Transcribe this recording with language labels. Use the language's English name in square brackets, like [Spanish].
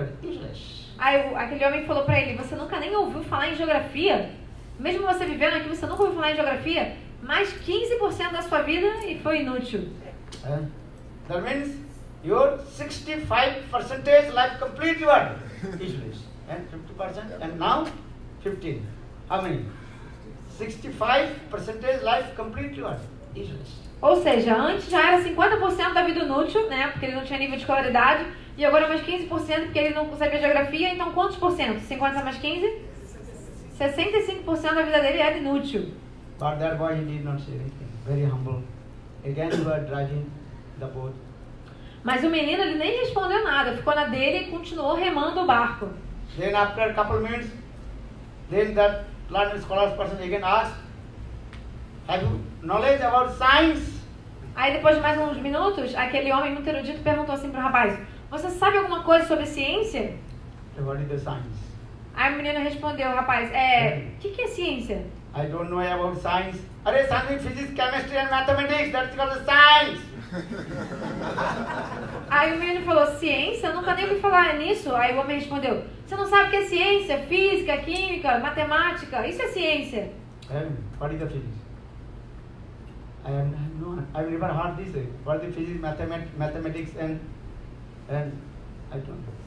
[English] is useless. [Portuguese] Aí aquele homem falou pra ele, você nunca nem ouviu falar em geografia? Mesmo você vivendo aqui, você nunca ouviu falar em geografia? Mais 15% da sua vida e foi inútil. [English] That means your 65% life completely useless. And 50% and now 15. How many? 65% life completely useless. [Portuguese] Ou seja, antes já era 50% da vida inútil, né? Porque ele não tinha nível de escolaridade. E agora mais 15% porque ele não sabia geografia. Então quantos por cento? 50 mais 15? 65% da vida dele era inútil. [English] But that boy he did not say anything. Very humble. Again he was dragging the boat. [Portuguese] Mas o menino ele nem respondeu nada. Ficou na dele e continuou remando o barco. [English] Then after a couple minutes, then that learned scholar person again asked, have you knowledge about science? [Portuguese] Aí depois de mais uns minutos, aquele homem muito erudito perguntou assim pro rapaz, você sabe alguma coisa sobre ciência? [English] What is the science? [Portuguese] Aí o menino respondeu, rapaz, que é ciência? [English] I don't know about science. Are science, physics, chemistry and mathematics, that's called science. [Portuguese] Aí o menino falou, ciência? Eu nunca nem ouvi falar nisso. Aí o homem respondeu, você não sabe o que é ciência? Física, química, matemática, isso é ciência. [English] What is the physics? I never heard this. What is the physics, mathematics and... And I don't.